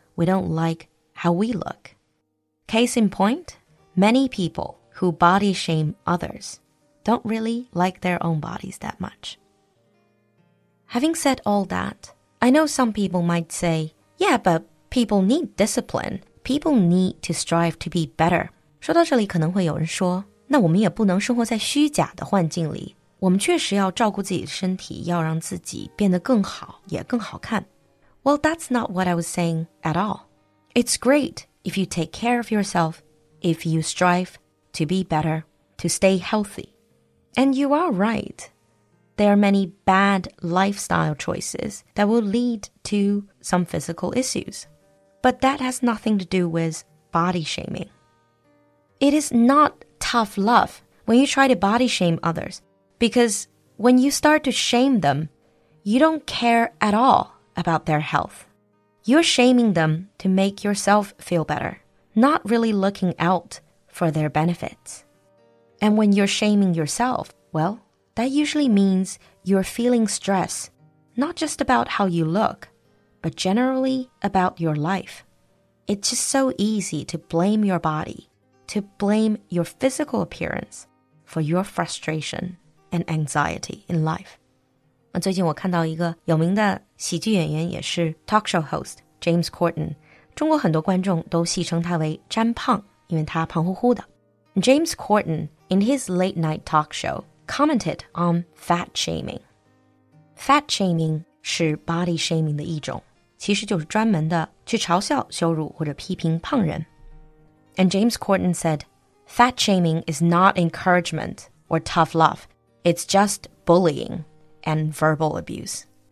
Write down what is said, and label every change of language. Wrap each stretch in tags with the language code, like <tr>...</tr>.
<en>We don't like how we look. Case in point, many people who body shame others don't really like their own bodies that much. Having said all that, I know some people might say, yeah, but people need discipline. People need to strive to be better.</en> <zh>说到这里可能会有人说，那我们也不能生活在虚假的幻境里。我们确实要照顾自己的身体，要让自己变得更好，也更好看。</zh> <en>Well, that's not what I was saying at all. It's great if you take care of yourself, if you strive to be better, to stay healthy. And you are right. There are many bad lifestyle choices that will lead to some physical issues. But that has nothing to do with body shaming. It is not tough love when you try to body shame others, because when you start to shame them, you don't care at all about their health. You're shaming them to make yourself feel better, not really looking out for their benefits. And when you're shaming yourself, well, that usually means you're feeling stress, not just about how you look, but generally about your life. It's just so easy to blame your body, to blame your physical appearance for your frustration and anxiety in life.</en> <zh>最近我看到一个有名的喜剧演员也是</zh> <en>talk show host,</en> <zh>James Corden, 中国很多观众都戏称他为詹胖因为他胖乎乎的。</zh> <en>James Corden, in his late night talk show, commented on fat shaming.</en> <zh>Fat shaming 是 body shaming 的一种其实就是专门的去嘲笑、羞辱或者批评胖人。</zh> <en>And James Corden said, fat shaming is not encouragement or tough love, it's just bullying and verbal abuse.</en>